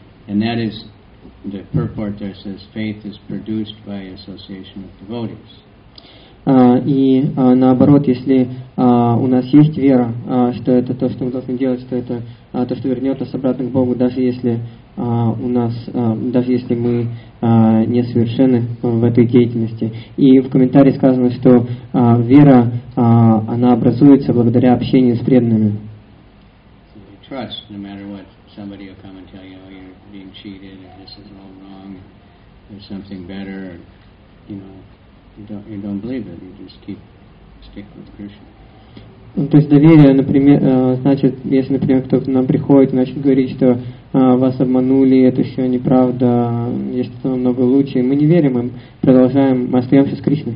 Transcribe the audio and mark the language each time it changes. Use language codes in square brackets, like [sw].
[en] And that is the purport there says, faith is produced by association with devotees. [ru] И наоборот, если у нас есть вера, что это то, что мы должны делать, что это то, что вернет нас обратно к Богу, даже если у нас, даже если мы несовершенны в этой деятельности. И в комментарии сказано, что вера, она образуется благодаря общению с преданными. [en] Trust, no matter what, somebody will come and tell you, oh, you're being cheated, and this is all wrong, and there's something better, and, you know. You don't believe it. You just keep stick with Krishna. [ru] То есть доверие, например, значит, если, например, кто-то нам приходит, значит, говорит, что вас обманули, это все неправда, есть что-то намного лучше, мы не верим им, продолжаем, мы остаемся с Кришной.